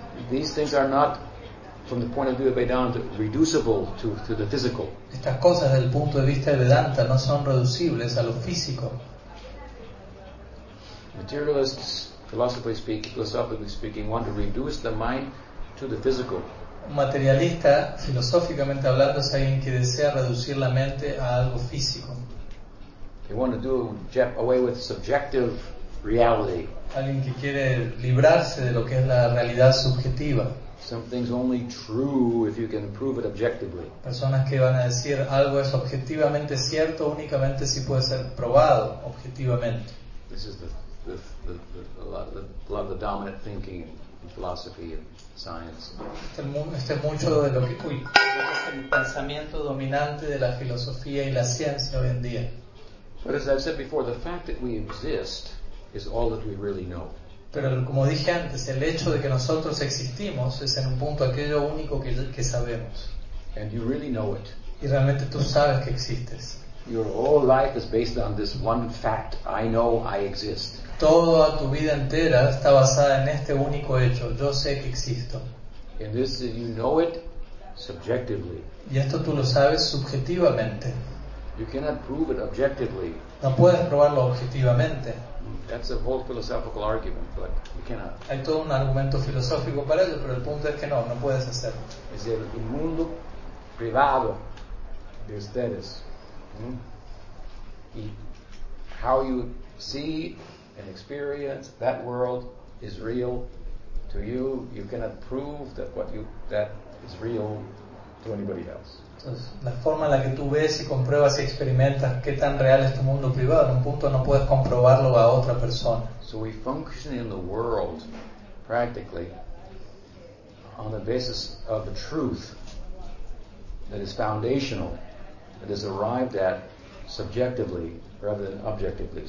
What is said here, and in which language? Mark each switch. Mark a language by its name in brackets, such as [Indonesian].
[English] These things are not, from the point of view of Vedanta, reducible to the physical. [Spanish] Estas cosas, desde el punto de vista de Vedanta, no son reducibles a lo físico. [English] Materialists, philosophically speaking, want to reduce the mind to the physical. [Spanish] Un materialista, filosóficamente hablando, es alguien que desea reducir la mente a algo físico. [English] They want to do away with subjective reality. [Spanish] Alguien que quiere librarse de lo que es la realidad subjetiva. [English] Something's only true if you can prove it objectively. [Spanish] Personas que van a decir algo es objetivamente cierto únicamente si puede ser probado objetivamente. [English] This is a lot of the dominant thinking in philosophy and science. [Spanish] Este mucho de lo que es el pensamiento dominante de la filosofía y la ciencia hoy en día. [English] But as I've said before, the fact that we exist is all that we really know. [Spanish] Pero como dije antes, el hecho de que nosotros existimos es en un punto aquello único que sabemos. [English] And you really know it. [Spanish] Y realmente tú sabes que existes. [English] Your whole life is based on this one fact. I know I exist. [Spanish] Toda tu vida entera está basada en este único hecho. Yo sé que existo. [English] And this is, you know it subjectively. [Spanish] Y esto tú lo sabes subjetivamente. [English] You cannot prove it objectively. [Spanish] No puedes probarlo objetivamente. [English] That's a whole philosophical argument, but you cannot. [Spanish] Hay todo un argumento filosófico para ello, pero el punto es que no puedes hacerlo. Es el mundo privado de ustedes. [English] Y how you see and experience that world is real to you. You cannot prove that that is real to anybody else. [Spanish] Entonces, la forma en la que tú ves y compruebas y experimentas qué tan real es tu mundo privado, en un punto no puedes comprobarlo a otra persona. [English] So we function in the world practically on the basis of a truth that is foundational, that is arrived at subjectively rather than objectively.